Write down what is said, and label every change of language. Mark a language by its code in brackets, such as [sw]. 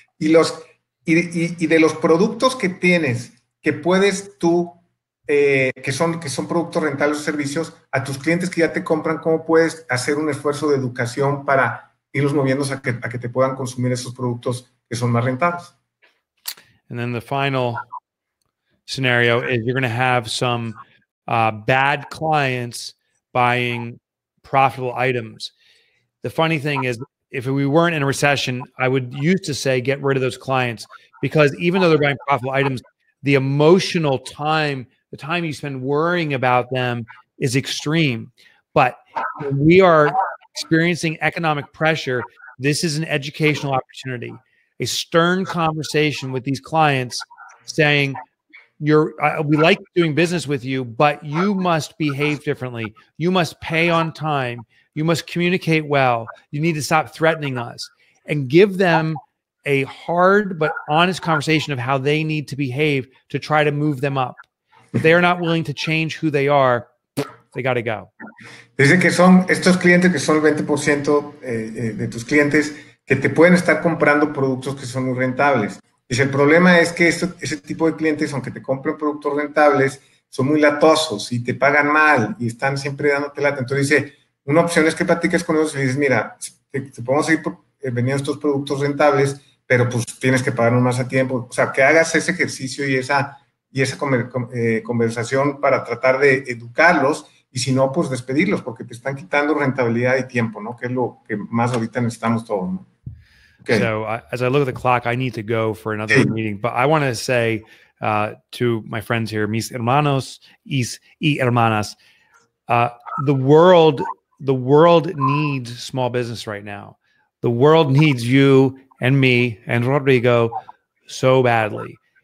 [es] Y de los productos que tienes, que puedes tú, que son productos rentables o servicios, a tus clientes que ya te compran, ¿cómo puedes hacer un esfuerzo de educación para irlos moviendo a que te puedan consumir esos productos que son más rentables? [en] And then the final scenario is you're going to have some bad clients buying profitable items. The funny thing is, if we weren't in a recession, I would used to say get rid of those clients, because even though they're buying profitable items, the emotional time, the time you spend worrying about them is extreme. But we are experiencing economic pressure. This is an educational opportunity, a stern conversation with these clients saying, we like doing business with you, but you must behave differently. You must pay on time. You must communicate well. You need to stop threatening us. And give them a hard but honest conversation of how they need to behave to try to move them up. If they are not willing to change who they are, they got to go. [es] Dicen que son estos clientes que son el 20% de tus clientes que te pueden estar comprando productos que son muy rentables. Dice, el problema es que ese tipo de clientes, aunque te compren productos rentables, son muy latosos y te pagan mal y están siempre dándote lata. Entonces, dice, una opción es que platiques con ellos y dices, mira, te podemos seguir vendiendo estos productos rentables, pero pues tienes que pagarnos más a tiempo. O sea, que hagas ese ejercicio y esa conversación para tratar de educarlos, y si no, pues despedirlos, porque te están quitando rentabilidad y tiempo, ¿no? Que es lo que más ahorita necesitamos todos, ¿no? [en] Okay. So as I look at the clock, I need to go for another meeting. But I want to say to my friends here, [es] mis hermanos y hermanas, [en] the world needs small business right now. The world needs you and me and Rodrigo so badly.